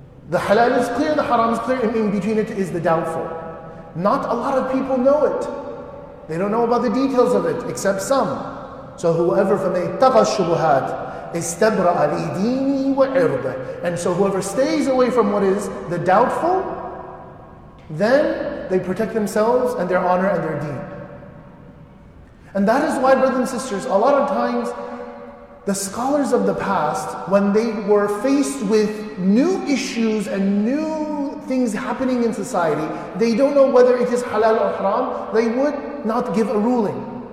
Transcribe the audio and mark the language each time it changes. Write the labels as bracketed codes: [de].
[en] The halal is clear, the haram is clear, and in between it is the doubtful. Not a lot of people know it. They don't know about the details of it, except some. So whoever [ar] فَمَيْتَقَى الشُّبُهَاتِ اسْتَبْرَأَ لِدِينِهِ وَعِرْضِهِ. [en] And so whoever stays away from what is the doubtful, then they protect themselves and their honor and their deen. And that is why, brothers and sisters, a lot of times, the scholars of the past, when they were faced with new issues and new things happening in society, they don't know whether it is halal or haram, they would not give a ruling.